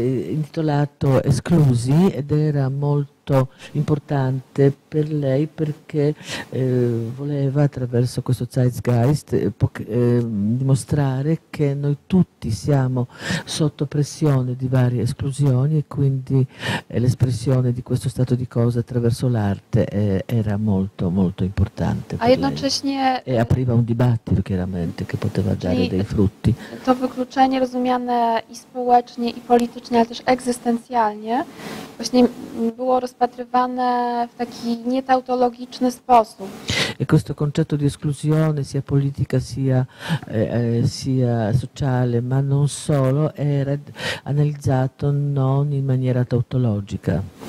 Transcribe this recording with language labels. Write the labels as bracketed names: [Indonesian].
[Italian] intitolato Esclusi, ed era molto importante per lei perché voleva attraverso questo Zeitgeist dimostrare che noi tutti siamo sotto pressione di varie esclusioni, e quindi l'espressione di questo stato di cose attraverso l'arte era molto molto importante. [Polish] A jednocześnie [Italian] lei. E apriva un dibattito chiaramente che poteva dare dei frutti. [Polish] To wykluczenie rozumiane i społecznie, i politycznie, ale też egzystencjalnie, właśnie było rozpatrywane w taki nietautologiczny sposób. [Italian] E questo concetto di esclusione, sia politica sia, sia sociale, ma non solo, era analizzato non in maniera tautologica.